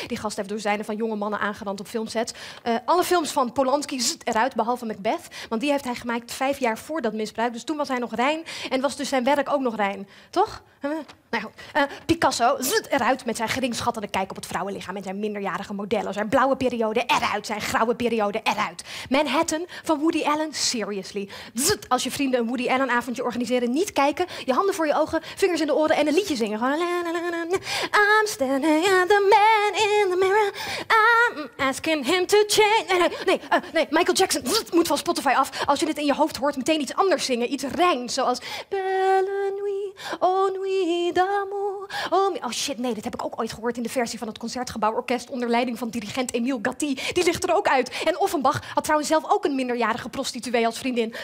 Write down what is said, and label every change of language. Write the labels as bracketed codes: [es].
[nl] Die gast heeft dozijnen van jonge mannen aangerand op filmsets. Alle films van Polanski, zit eruit, behalve Macbeth, want die heeft hij gemaakt 5 jaar voor dat misbruik. Dus toen was hij nog rein en was dus zijn werk ook nog rein, toch? Picasso, zit eruit met zijn geringschattende kijk op het vrouwenlichaam en zijn minderjarige modellen, zijn blauwe periode eruit, zijn grauwe periode eruit. Manhattan van Woody Allen, seriously. Zut, als je vrienden een Woody Allen avondje organiseren, niet kijken, je handen voor je ogen, vingers in de oren en een liedje zingen. [en] I'm standing at the man in the mirror, I'm asking him to change. [nl] Nee, Michael Jackson, zut, moet van Spotify af. Als je dit in je hoofd hoort, meteen iets anders zingen, iets rein, zoals Belle Nuit, Oh Nuit d'Amour. Oh shit, nee, dat heb ik ook ooit gehoord in de versie van het Concertgebouworkest onder leiding van dirigent Emile Gatti, die ligt er ook uit. En Offenbach had trouwens zelf ook een minderjarige prostituee als vriendin.